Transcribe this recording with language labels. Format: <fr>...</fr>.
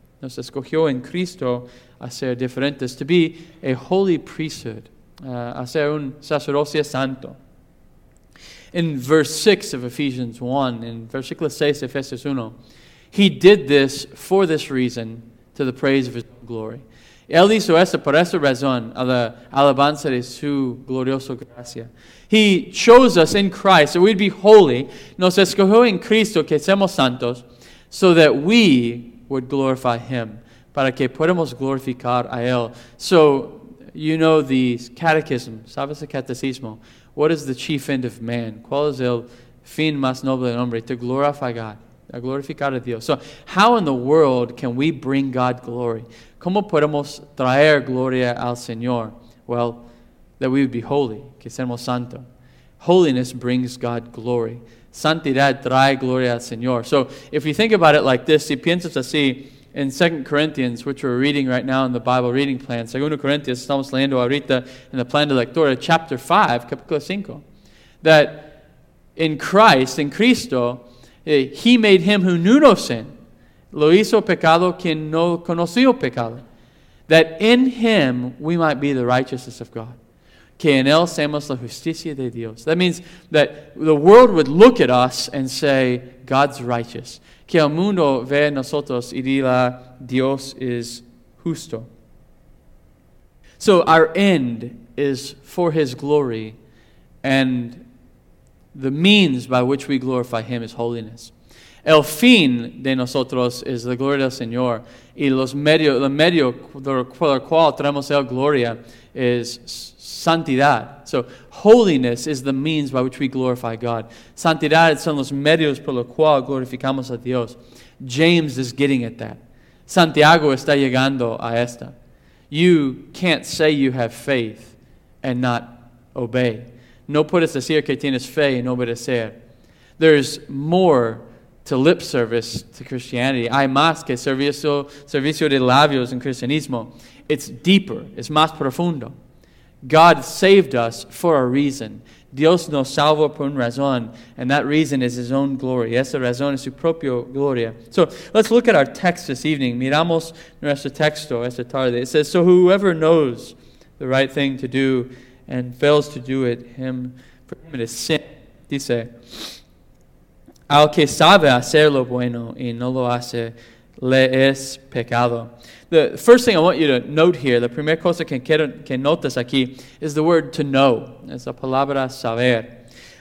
<es>Nos escogió en Cristo a ser diferentes,</es> <en>to be a holy priesthood.</en> <es>Hacer un sacerdocio santo.</es> <en>In verse 6 of Ephesians 1, in</en> <es>versículo 6 de Efesios 1,</es> <en>He did this for this reason, to the praise of His glory.</en> <es>Él hizo esto por esa razón, a la alabanza de su glorioso gracia.</es> <en>He chose us in Christ, that we'd be holy.</en> <es>Nos escogió en Cristo, que seamos santos,</es> <en>so that we would glorify Him,</en> <es>para que podamos glorificar a Él.</es> <en>So, you know the catechism,</en> <es>¿sabes el catecismo?</es> <en>What is the chief end of man?</en> <es>¿Cuál es el fin más noble del hombre?</es> <en>To glorify God,</en> <es>a glorificar a Dios.</es> <en>So, how in the world can we bring God glory?</en> <es>¿Cómo podemos traer gloria al Señor?</es> <en>Well, that we would be holy,</en> <es>que seamos santo.</es> <en>Holiness brings God glory.</en> <es>Santidad trae gloria al Señor.</es> <en>So, if you think about it like this,</en> <es>si piensas así,</es> <en>in 2 Corinthians, which we're reading right now in the Bible reading plan, 2 Corinthians,</en> <es>estamos leyendo ahorita en el plan de lectura,</es> <en>chapter 5,</en> <es>capítulo 5,</es> <en>that in Christ, in Cristo, He made Him who knew no sin,</en> <es>lo hizo pecado quien no conoció pecado,</es> <en>that in Him we might be the righteousness of God,</en> <es>que en él seamos la justicia de Dios.</es> <en>That means that the world would look at us and say, God's righteous.</en> <es>Que el mundo ve nosotros y diga, Dios es justo.</es> <en>So our end is for His glory, and the means by which we glorify Him is holiness.</en> <es>El fin de nosotros es la gloria del Señor, y el medio por el cual traemos el gloria es santidad.</es> <en>So holiness is the means by which we glorify God.</en> <es>Santidad son los medios por los cuales glorificamos a Dios.</es> <en>James is getting at that.</en> <es>Santiago está llegando a esta.</es> <en>You can't say you have faith and not obey.</en> <es>No puedes decir que tienes fe y no obedecer.</es> <en>There's more to lip service to Christianity.</en> <es>Hay más que servicio de labios en cristianismo.</es> <en>It's deeper. It's</en> <es>más profundo.</es> <en>God saved us for a reason.</en> <es>Dios nos salvó por una razón,</es> <en>and that reason is His own glory.</en> <es>Esa razón es su propia gloria.</es> <en>So, let's look at our text this evening.</en> <es>Miramos nuestro texto esta tarde.</es> <en>It says, so whoever knows the right thing to do and fails to do it, for him it is sin.</en> <es>Dice, al que sabe hacer lo bueno y no lo hace, le es pecado.</es> <en>The first thing I want you to note here, the</en> <es>primera cosa que notas aquí,</es> <en>is the word to know.</en> <es>Es la palabra saber.</es>